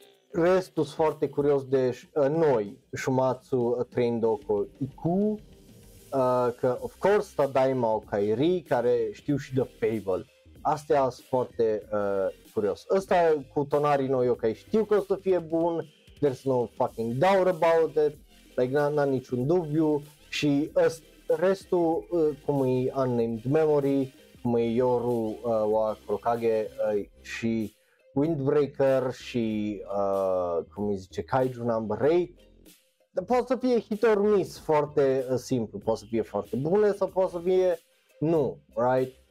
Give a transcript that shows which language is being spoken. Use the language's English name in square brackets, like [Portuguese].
[Romanian] Restul sunt foarte curios de noi, Shumatsu, Train Doko, Iku. Că, [English] of course, [Romanian] Tadaima Okairi, care știu și The Fable. Astea sunt foarte curios. Ăsta cu Tonari no Yokai știu că o să fie bun. [English] There's no fucking doubt about it. [Romanian] Like, n-am niciun dubiu. Și restul, cum e Unnamed Memory, cum e Yoru wa Kurokage și Windbreaker și, cum îi zice, Kaiju Number 8. Poate să fie [English] hit or miss, [Romanian] foarte simplu, poate să fie foarte bune sau poate să fie nu, right?